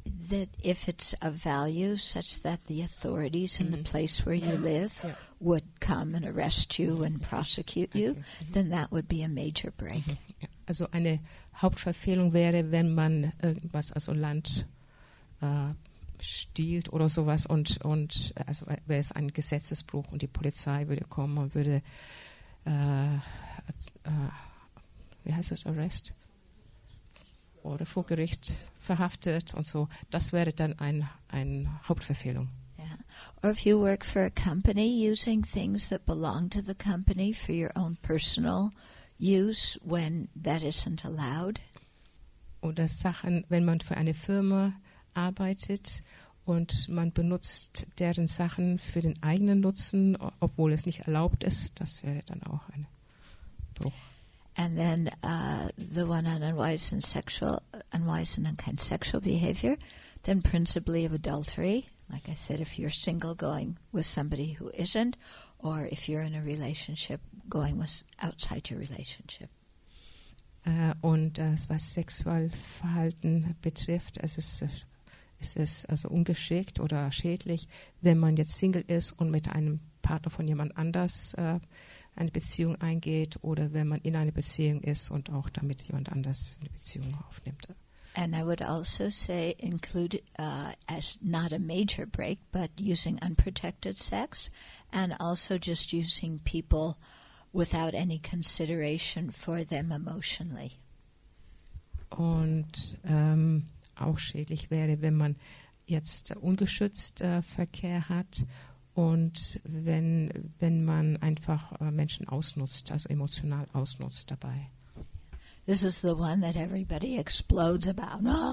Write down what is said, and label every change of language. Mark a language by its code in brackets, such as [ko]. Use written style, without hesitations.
[en] That if it's of value such that the authorities in the place where you live would come and arrest you and prosecute you, then that would be a major break. [de] Also eine Hauptverfehlung wäre, wenn man irgendwas, also Land stiehlt oder sowas und also wäre es ein Gesetzesbruch und die Polizei würde kommen und würde wie heißt das, Arrest? Oder vor Gericht verhaftet und so. Das wäre dann ein Hauptverfehlung. [en] Yeah. Or if you work for a company, using things that belong to the company for your own personal use when that isn't allowed. [de] Oder Sachen, wenn man für eine Firma arbeitet und man benutzt deren Sachen für den eigenen Nutzen, obwohl es nicht erlaubt ist, das wäre dann auch ein Bruch. [en] And then the one on unwise and unkind sexual behavior, then principally of adultery, like I said, if you're single going with somebody who isn't, or if you're in a relationship going with outside your relationship. [de] Und was Sexualverhalten betrifft, es ist ungeschickt oder schädlich, wenn man jetzt Single ist und mit einem Partner von jemand anders eine Beziehung eingeht oder wenn man in eine Beziehung ist und auch damit jemand anders eine Beziehung aufnimmt. [en] And I would also say include as not a major break, but using unprotected sex and also just using people without any consideration for them emotionally. [de] Und auch schädlich wäre, wenn man jetzt ungeschützt Verkehr hat und wenn man einfach Menschen ausnutzt, also emotional ausnutzt dabei. [en] This is the one that everybody explodes about.